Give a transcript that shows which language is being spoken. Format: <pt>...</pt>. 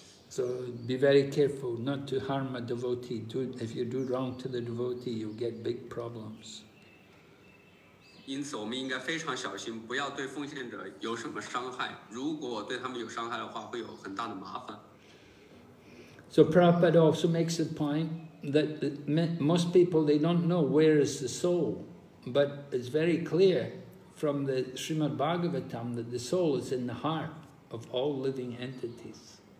<en>So be very careful not to harm a devotee. If you do wrong to the devotee, you'll get big problems.</en> <zh>因此我们应该非常小心，不要对奉献者有什么伤害。如果对他们有伤害的话，会有很大的麻烦。</zh> <en>So Prabhupada also makes the point that most people, they don't know where is the soul, but it's very clear from the Srimad Bhagavatam that the soul is in the heart of all living entities.</en>